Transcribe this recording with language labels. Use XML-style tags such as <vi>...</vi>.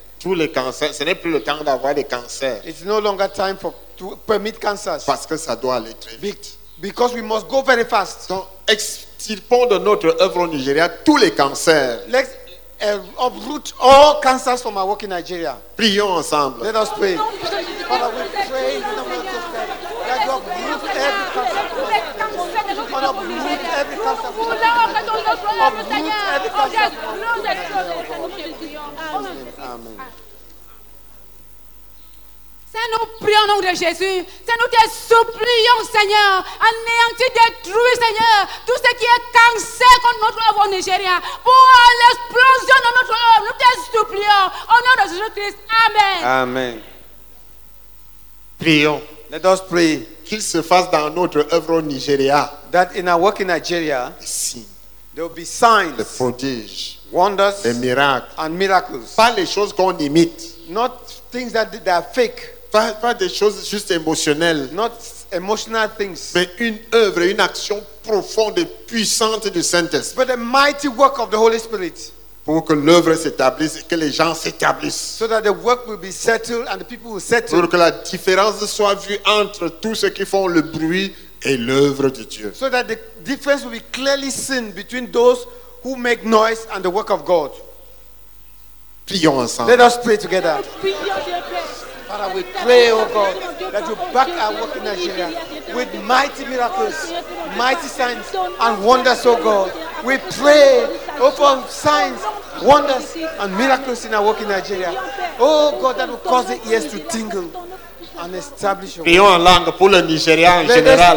<fr>Tous les cancers. Ce n'est plus le temps d'avoir des cancers.</fr> <en>It's no longer time for to permit cancers.</en> <fr>Parce que ça doit aller très vite.</fr> <en>Because we must go very fast.</en> <fr>Donc, extirpons de notre œuvre au Nigeria tous les cancers.</fr> <en>Let's uproot all cancers from our work in Nigeria.</en> <fr>Prions ensemble.</fr> <en>Let us pray. Father, we pray in the name of Jesus that you uproot every cancer. Father, uproot every cancer. Uproot every cancer. Amen.</en> <fr>Seigneur, nous prions au nom de Jésus. Seigneur, nous te supplions, Seigneur, anéantis, détruis, Seigneur, tout ce qui est cancer contre notre œuvre au Nigeria, pour l'explosion de notre œuvre. Nous te supplions au nom de Jésus-Christ. Amen. Amen. Prions.</fr> <en>Let us pray.</en> <fr>Qu'il se fasse dans notre œuvre au Nigeria.</fr> <en>That in our work in Nigeria, there will be signs, the prodiges, wonders, the miracles, and miracles.</en> <fr>Pas les choses qu'on imite.</fr> <en>Not things that are fake.</en> <fr>Pas des choses juste émotionnelles.</fr> <en>Not emotional things.</en> <fr>Mais une œuvre, une action profonde et puissante du Saint-Esprit.</fr> <en>But the mighty work of the Holy Spirit.</en> <fr>Pour que l'œuvre s'établisse et que les gens s'établissent.</fr> <en>So that the work will be settled and the people will settle.</en> <fr>Pour que la différence soit vue entre tous ceux qui font le bruit et l'œuvre de Dieu.</fr> <en>So that the difference will be clearly seen between those who make noise and the work of God.</en> <fr>Prions ensemble.</fr> <en>Let us pray together. Father, we pray, oh God, that you back our work in Nigeria with mighty miracles, mighty signs, and wonders, oh God. We pray, oh, for signs, wonders, and miracles in our work in Nigeria. Oh God, that will cause the ears to tingle and establish your</en> <fr>prions en langue pour le Nigeria en général.</fr>